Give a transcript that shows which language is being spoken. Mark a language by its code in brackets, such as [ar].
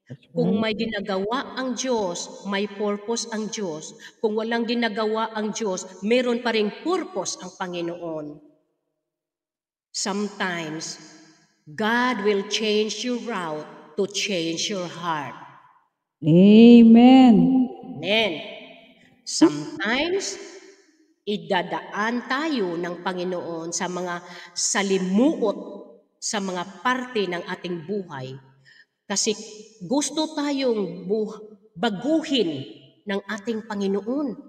[tl] Kung may ginagawa ang Diyos, may purpose ang Diyos. Kung walang ginagawa ang Diyos, meron pa rin purpose ang Panginoon. [en] Sometimes, God will change your route to change your heart. Amen. Amen. [tl] Sometimes, idadaan tayo ng Panginoon sa mga salimuot sa mga parte ng ating buhay Kasi gusto tayong baguhin ng ating Panginoon.